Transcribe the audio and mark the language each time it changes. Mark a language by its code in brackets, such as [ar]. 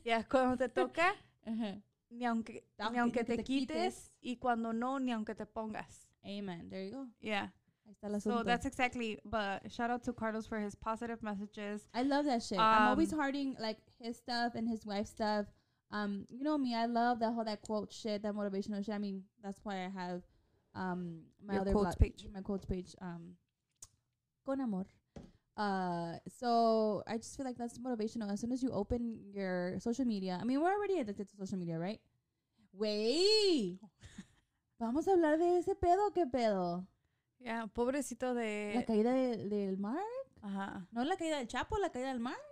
[es] Yeah, cuando te toca, ni aunque te quites, y cuando no, ni aunque te pongas. [en] Amen. There you go. Yeah. [es] Ahí está el asunto. [en] So that's exactly. But shout out to Carlos for his positive messages. I love that shit. I'm always hearting like his stuff and his wife's stuff. You know me. I love that whole quote shit, that motivational shit. I mean, that's why I have my your other quotes page. My quotes page. [es] Con amor. [en] So I just feel like that's motivational. As soon as you open your social media, I mean, we're already addicted to social media, right? [es] Wait, vamos a hablar de ese pedo, qué pedo. Yeah, pobrecito de la caída del mar. Ajá. No la caída del Chapo, la caída del mar.